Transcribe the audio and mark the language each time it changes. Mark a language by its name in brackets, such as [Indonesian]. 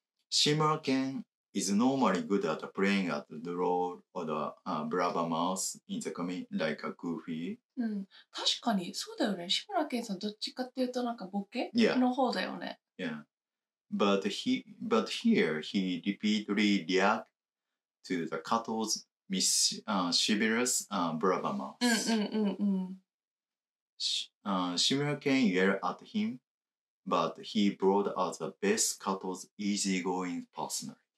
[English] Shimura Ken,is normally good at playing at the role of the blabbermouth in the comedy, like a goofy. [Japanese] 確かにそうだよね。志村けんさんどっちかっていうとなんかボケの方だよね。 [English] But here he repeatedly react to the Kato's mischievous blabbermouth. Shimura Ken yelled at him, but he brought out the best Kato's easygoing personal.